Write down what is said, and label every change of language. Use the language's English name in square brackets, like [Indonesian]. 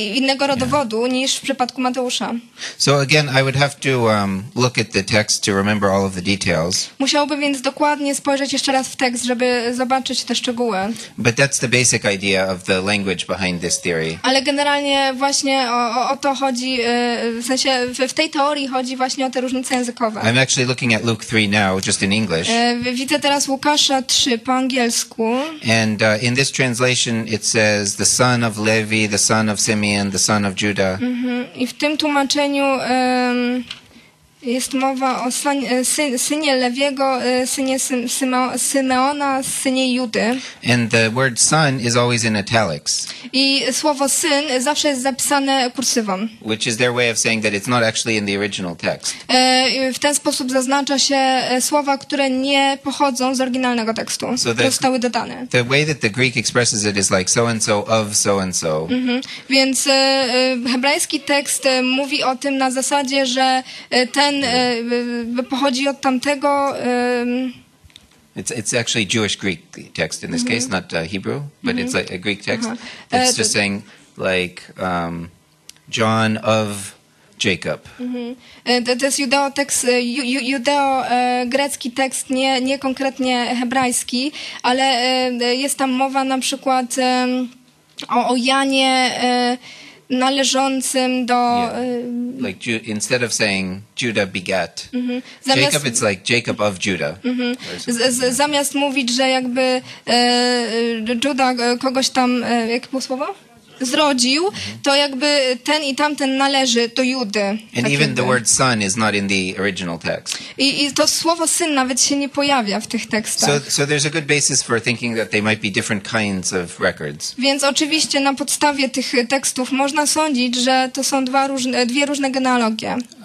[Polish] Innego rodowodu niż w przypadku Mateusza. [English] So again, I would have to look at the text to remember all of the details. [Polish] Musiałbym więc dokładnie spojrzeć jeszcze raz w tekst, żeby zobaczyć te szczegóły. [English] But that's the basic idea of the language behind this theory. [Polish] Ale generalnie właśnie o to chodzi, w sensie w tej teorii chodzi właśnie o te różnice językowe. [English] I'm actually looking at Luke 3 now, just in English. [Polish] Widzę teraz Łukasza 3 po angielsku. [English] And in this translation it says the son of Levi, the son of Simeon, the son of Judah. [Polish] I w tym tłumaczeniu jest mowa o synie Lewiego, synie Symeona, synie Judy. [English] And the word son is always in italics. [Polish] I słowo syn zawsze jest zapisane kursywą. [English] Which is their way of saying that it's not actually in the original text. [Polish] W ten sposób zaznacza się słowa, które nie pochodzą z oryginalnego tekstu, które zostały dodane. [English] The way that the Greek expresses it is like so and so of so and so. [Polish] Więc hebrajski tekst mówi o tym na zasadzie, że ten pochodzi od tamtego. [English] It's actually Jewish Greek text in this case, not Hebrew, but it's like a Greek text. It's just saying like John of Jacob. [Polish] To jest judeo-grecki tekst, nie konkretnie hebrajski, ale jest tam mowa na przykład o Janie należącym do. [English] Yeah. Like instead of saying Judah begat Jacob, it's like Jacob of Judah. [Polish] Zamiast mówić, że jakby Judah kogoś tam, jakie było słowo? Zrodził, to jakby ten i tamten należy do Judy. [English] And even the word son is not in the original text. [Polish] I to słowo syn nawet się nie pojawia w tych tekstach. [English] So there's a good basis for thinking that they might be different kinds of records. [Polish] Więc oczywiście na podstawie tych tekstów można sądzić, że to są dwie różne genealogie.